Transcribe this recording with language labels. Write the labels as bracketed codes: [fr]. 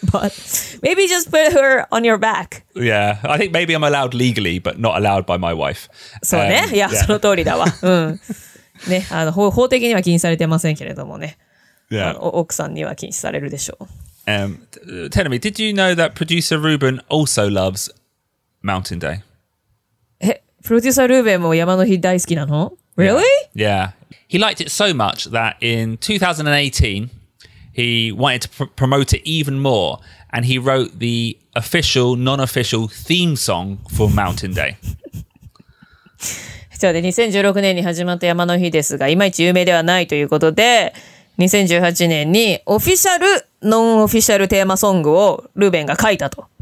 [en] But maybe just put her on your back. Yeah, I think maybe I'm allowed legally, but not allowed by my wife. [ja] そうね。いや、その通りだわ。うん。ね、法的には禁止されてませんけれどもね、 [en] yeah. [ja] 奥さんには禁止されるでしょう。 [en] Tell me, did you know that producer Ruben also loves Mountain Day? [ja] Producer Ruben も山の日大好きなの? [en] Really? Yeah. Yeah. He liked it so much that in 2018, he wanted to promote it even more, and he wrote the official, non-official theme song for Mountain Day. [ja] そうで、2016年に始まった山の日ですが、いまいち有名ではないということで、2018年にオフィシャル、ノンオフィシャルテーマソングをルーベンが書いたと。